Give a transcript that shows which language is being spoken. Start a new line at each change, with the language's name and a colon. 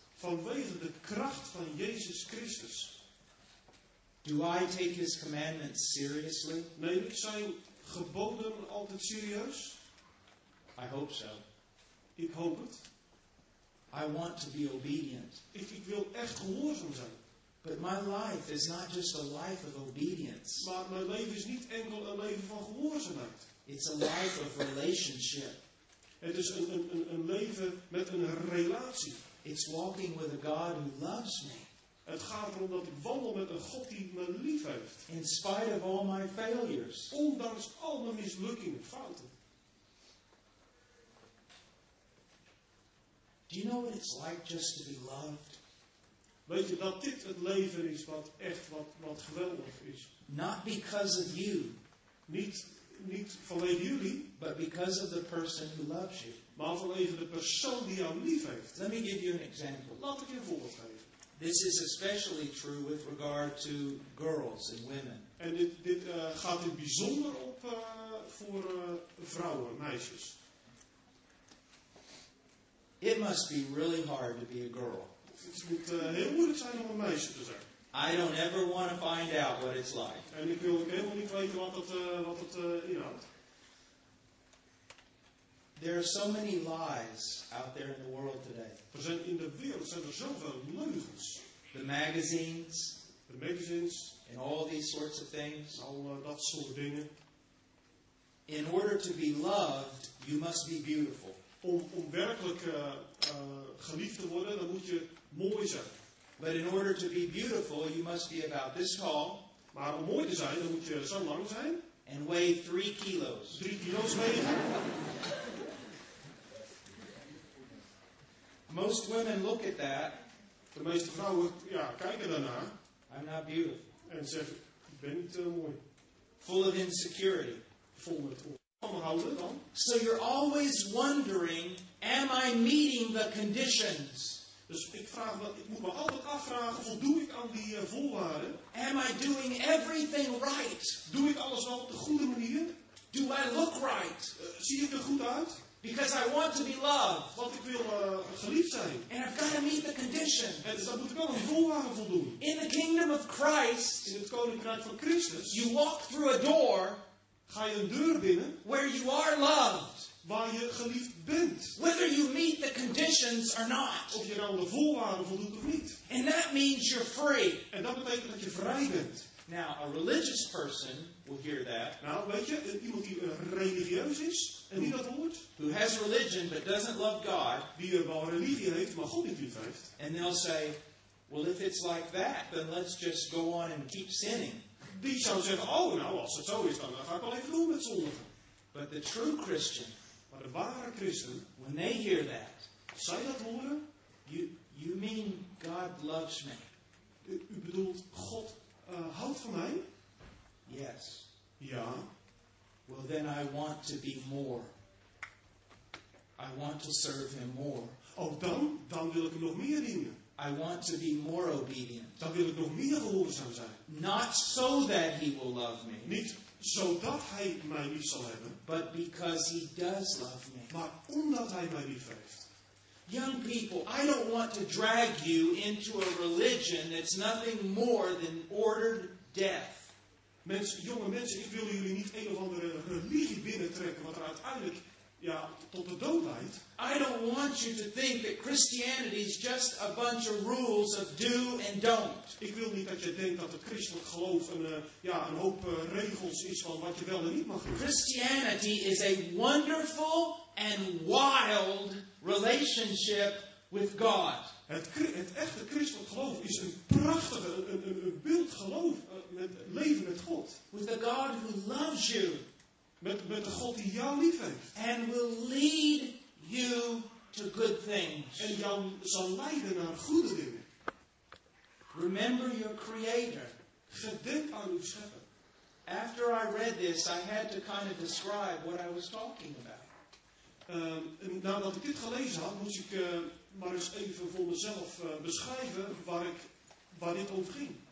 Dutch: Vanwege de kracht van Jezus Christus.
English: Do I take his commandments seriously?
Dutch: Neem ik zijn geboden altijd serieus?
English: I hope so.
Dutch: Ik hoop het.
English: I want to be obedient.
Dutch: Ik wil echt gehoorzaam zijn.
English: But my life is not just a life of obedience.
Dutch: Maar mijn leven is niet enkel een leven van gehoorzaamheid.
English: It's a life of relationship.
Dutch: Het is een leven met een relatie.
English: It's walking with a God who loves me.
Dutch: Het gaat erom dat ik wandel met een God die me lief heeft.
English: In spite of all my failures.
Dutch: Ondanks al mijn mislukkingen, fouten.
English: Do you know what it's like just to be loved?
Dutch: Weet je dat dit het leven is wat echt wat geweldig is?
English: Not because of you.
Dutch: Niet vanwege jullie.
English: But because of the person who loves you.
Dutch: Maar vanwege de persoon die jou lief heeft.
English: Let me give you an example.
Dutch: Laat ik je een voorbeeld geven.
English: This is especially true with regard to girls and women.
Dutch: En dit gaat in bijzonder op voor vrouwen, meisjes.
English: It must be really hard to be a girl.
Dutch: Het moet heel moeilijk zijn om een meisje te zijn.
English: I don't ever want to find out what it's like.
Dutch: En ik wil ook helemaal niet weten wat het inhoudt.
English: There are so many lies out there in the world today.
Dutch: Er zijn in de wereld zijn er zoveel leugens.
English: The magazines, and all these sorts of things.
Dutch: Al dat soort dingen.
English: In order to be loved, you must be beautiful.
Dutch: Om werkelijk geliefd te worden, dan moet je mooi zijn.
English: But in order to be beautiful, you must be about this tall.
Dutch: Maar om mooi te zijn, dan moet je zo lang zijn.
English: And weigh 3 kilos.
Dutch: 3 kilo's wegen.
English: Most women look at that.
Dutch: De meeste vrouwen, ja, kijken daarnaar.
English: I'm not beautiful.
Dutch: En zeggen, ik ben niet mooi.
English: Full of insecurity.
Dutch: Vol met onbehouden dan.
English: So you're always wondering, am I meeting the conditions?
Dutch: Dus ik moet me altijd afvragen, voldoe ik aan die voorwaarden?
English: Am I doing everything right?
Dutch: Doe ik alles wel op de goede manier?
English: Do I look right?
Dutch: Zie ik er goed uit?
English: Because I want to be loved.
Dutch: Want ik wil geliefd zijn.
English: And I've got to meet the conditions.
Dutch: En dus dan moet ik wel een voorwaarde voldoen.
English: In the kingdom of Christ.
Dutch: In het koninkrijk van Christus.
English: You walk through a door.
Dutch: Ga je een deur binnen.
English: Where you are loved.
Dutch: Waar je geliefd bent.
English: Whether you meet the conditions or not.
Dutch: Of je nou de voorwaarden voldoet of niet.
English: And that means you're free.
Dutch: En dat betekent dat je vrij bent.
English: Now, a religious person will hear that.
Dutch: Nou, weet je, iemand die religieus is en die dat hoort.
English: Who has religion but doesn't love God.
Dutch: Die wel religie heeft, maar God niet lief heeft.
English: And they'll say, well, if it's like that, then let's just go on and keep sinning.
Dutch: Die zou zeggen, oh, nou, als het zo is, dan ga ik wel even doen met zondigen.
English: But the true Christian.
Dutch: Maar de ware Christen.
English: When they hear that.
Dutch: Als zij dat horen.
English: You mean God loves me.
Dutch: U bedoelt God houdt van mij?
English: Yes.
Dutch: Ja.
English: Well, then I want to be more. I want to serve him more.
Dutch: Oh, dan wil ik hem nog meer dienen.
English: I want to be more obedient.
Dutch: Dan wil ik nog meer gehoorzaam zijn.
English: Not so that he will love me.
Dutch: Niet zodat hij mij lief zal hebben.
English: But because he does love me.
Dutch: Maar omdat hij mij lief heeft.
English: Young people, I don't want to drag you into a religion that's nothing more than ordered death.
Dutch: Mensen, jonge mensen, ik wil jullie niet een of andere religie binnentrekken wat er uiteindelijk ja, tot de dood leidt.
English: I don't want you to think that Christianity is just a bunch of rules of do and don't.
Dutch: Ik wil niet dat je denkt dat het christelijk geloof een hoop regels is van wat je wel en niet mag doen.
English: Christianity is a wonderful and wild relationship with God.
Dutch: Het echte christelijk geloof is een prachtige, een beeld geloof met leven met God.
English: With a God who loves you.
Dutch: Met de God die jou lief heeft.
English: And will lead you to good things.
Dutch: En jou zal leiden naar goede dingen.
English: Remember your creator.
Dutch: Gedenk aan uw schepper.
English: After I read this, I had to kind of describe what I was talking about.
Dutch: Nadat ik dit gelezen had, moest ik maar eens even voor mezelf beschrijven waar dit over ging.